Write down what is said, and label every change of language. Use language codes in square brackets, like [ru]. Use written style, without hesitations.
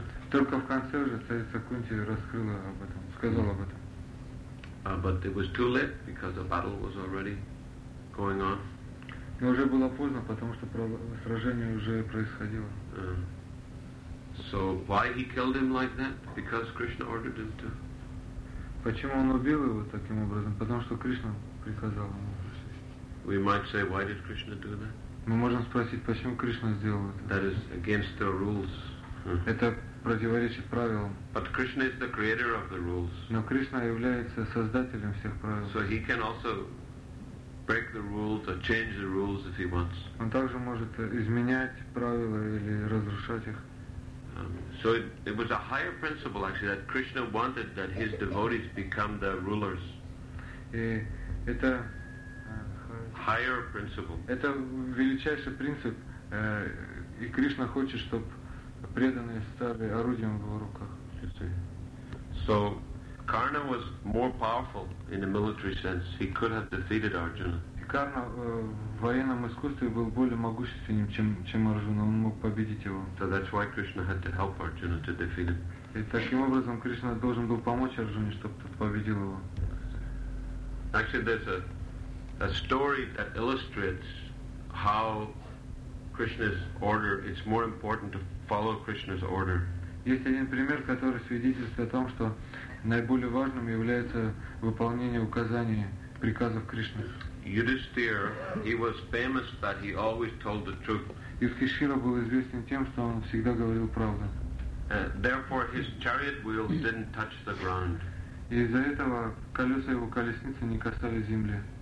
[ru] Только в конце уже царица Кунти раскрыла об этом, сказала об этом. [en] But it was too late because the battle was already going on. [ru] Но уже было поздно, потому что сражение уже происходило. [en] So why he killed him like that? Because Krishna ordered him to. [ru] Почему он убил его таким образом? Потому что Кришна приказал ему. [en] We might say, why did Krishna do that? [ru] Мы можем спросить, почему Кришна сделал это? [en] That is against the rules. [ru] Это противоречит правилам. [en] But Krishna is the creator of the rules. [ru] Но Кришна является создателем всех правил. [en] So he can also break the rules or change the rules if he wants. [ru] Он также может изменять правила или разрушать их. [en] So it was a higher principle actually that Krishna wanted that his devotees become the rulers. [ru] Это [en] higher principle. [ru] Это величайший принцип, и Кришна хочет, чтобы преданные стали орудием в его руках. [en] So Karna was more powerful in a military sense. He could have defeated Arjuna. [ru] И Карна в военном искусстве был более могущественным, чем Арджуна. Он мог победить его. [en] So that's why Krishna had to help Arjuna to defeat him. [ru] И таким образом Кришна должен был помочь Арджуне, чтобы тот победил его. [en] Actually, there's a story that illustrates how Krishna's order, it's more important to follow Krishna's order. [ru] Есть один пример, который свидетельствует о том, что наиболее важным является выполнение указаний, приказов Кришны. [en] Yudhisthira, he was famous that he always told the truth. [ru] Yudhisthira был известен тем, что он всегда говорил правду. [en] Therefore, his chariot wheels didn't touch the ground. [ru] Из-за этого колеса его колесницы не касались земли.